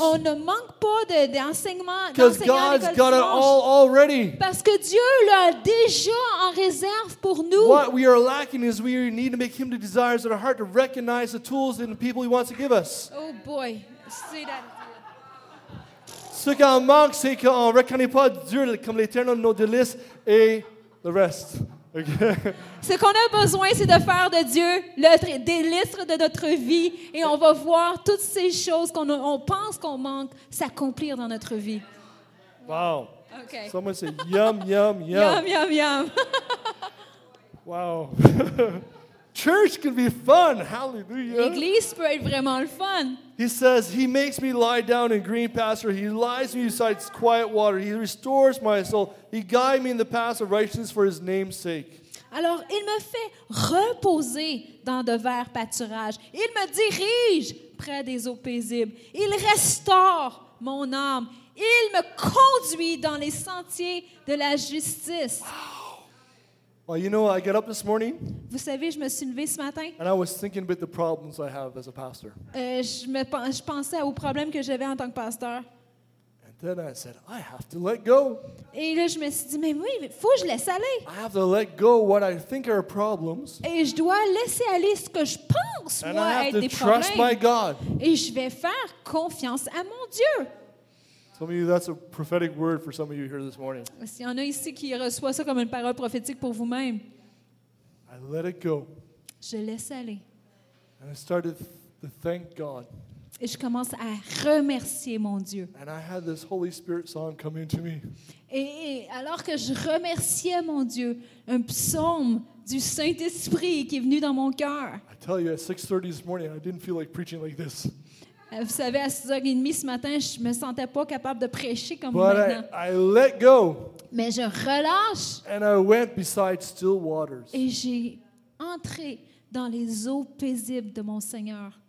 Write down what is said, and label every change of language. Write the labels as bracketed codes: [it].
[fr] On ne manque pas d'enseignement. [en] Because God's got it all already. [fr] Parce que Dieu l'a déjà en réserve pour nous. [en] What we are lacking is we need to make Him the desires of our heart to recognize the tools and the people He wants to give us. Oh boy, see that. [fr] Ce qu'on manque, c'est qu'on ne reconnaît pas Dieu comme l'éternel, nos délices et le reste. [en] Okay. [fr] Ce qu'on a besoin, c'est de faire de Dieu le délice de notre vie et on va voir toutes ces choses qu'on pense qu'on manque s'accomplir dans notre vie. [en] Wow. Okay. Someone say yum, yum, yum. Yum, yum, yum. Wow. Church can be fun. Hallelujah. [fr] L'église peut être vraiment le fun. [en] He says, He makes me lie down in green pasture. He lies me beside quiet water. He restores my soul. He guides me in the path of righteousness for His name's sake. [fr] Alors, il me fait reposer dans de verts pâturages. Il me dirige près des eaux paisibles. Il restaure mon âme. Il me conduit dans les sentiers de la justice. [en] Wow. Well, you know, I get up this morning. [fr] Vous savez, je me suis levée ce matin. [en] And I was thinking about the problems I have as a pastor. [fr] Je pensais aux problèmes que j'avais en tant que pasteur. [en] And then I said, I have to let go. [fr] Et là, je me suis dit, mais oui, il faut que je laisse aller. [en] I have to let go what I think are problems. [fr] Et je dois laisser aller ce que je pense moi être des problèmes. [en] And I have to trust my God. [fr] Et je vais faire confiance à mon Dieu. [en] Some of you, that's a prophetic word for some of you here this morning. [fr] S'il y en a ici qui reçoit ça comme une parole prophétique pour vous-même. [en] I let it go. [fr] Je laisse aller. [en] And I started to thank God. [fr] Et je commence à remercier mon Dieu. [en] And I had this Holy Spirit song come into me. [fr] Et alors que je remerciais mon Dieu, un psaume du Saint-Esprit qui est venu dans mon cœur. [en] I tell you, at 6:30 this morning, I didn't feel like preaching like this. [fr] Vous savez, à 6h30 ce matin, je ne me sentais pas capable de prêcher comme [en] But [fr] maintenant. [en] I let go. [fr] Mais je relâche. [en] And I went beside still waters. [fr] Et j'ai entré dans les eaux paisibles de mon Seigneur.